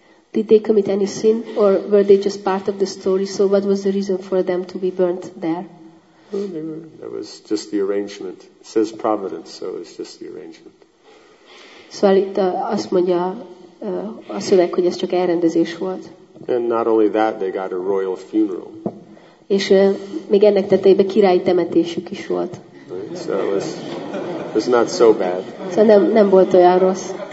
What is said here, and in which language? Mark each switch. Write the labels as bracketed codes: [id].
[en] Did they commit any sin, or were they just part of the story? So what was the reason for them to be burnt there? That was just the arrangement. It says providence, so it's just the arrangement. [hu] Szóval itt azt mondja a szöveg, hogy ez csak elrendezés volt. [en] And not only that, they got a royal funeral. [hu] És még ennek tetejében királyi temetésük is volt. [en] So it was not so bad. [hu] Szóval nem volt olyan rossz.